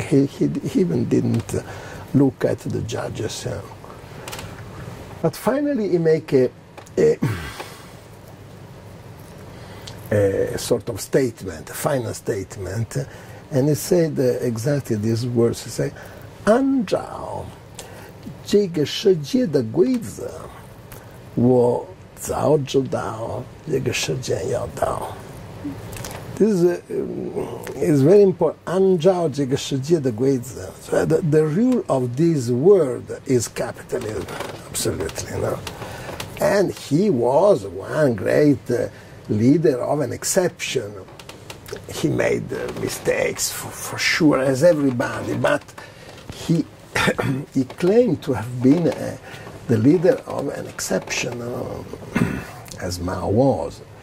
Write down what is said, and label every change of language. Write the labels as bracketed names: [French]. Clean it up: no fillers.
[English] He even didn't look at the judges. But finally, he make a sort of statement, a final statement, and he said exactly these words. He said, An Zhao, [Chinese] 这个世界的规则，我早知道这个时间要到。 [English] This is very important. [Chinese] 按照这个世界的规则 [English] so the rule of this world is capitalism, absolutely. No? And he was one great leader of an exception. He made mistakes, for sure, as everybody, but he, he claimed to have been the leader of an exception, as Mao was.